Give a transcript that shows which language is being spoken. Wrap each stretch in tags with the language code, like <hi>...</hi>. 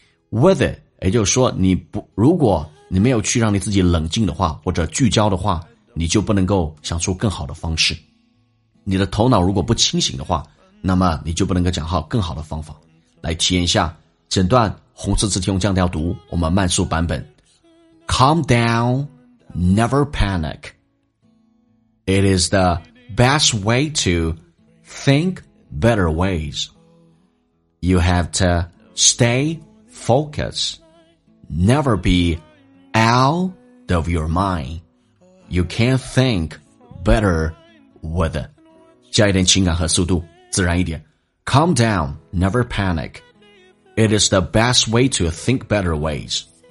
<zh>With it 也就是说你不，如果你没有去让你自己冷静的话或者聚焦的话，你就不能够想出更好的方式。你的头脑如果不清醒的话，那么你就不能够讲好更好的方法。来体验一下整段红色字体用降调读，我们慢速版本。</zh> <en>Calm down, never panic. It is the best way to think better ways. You have to stay focused. Never be out of your mind. You can't think better with it.</en> <zh>加一点情感和速度，自然一点。</zh> <en>Calm down, never panic. It is the best way to think better ways.</en>